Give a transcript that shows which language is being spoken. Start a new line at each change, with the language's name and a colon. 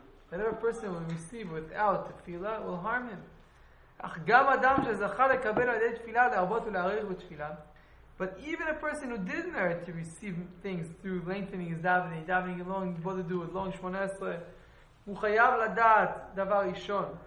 English: Whatever a person will receive without tefillah will harm him.
Hebrew: אך גם אדם שזכה לקבל על ידי תפילה להרבות ולהאריך בתפילה.
English: But even a person who didn't merit to receive things through lengthening his davening, davening long, what to do with long 18,
Hebrew: הוא חייב לדעת דבר ראשון.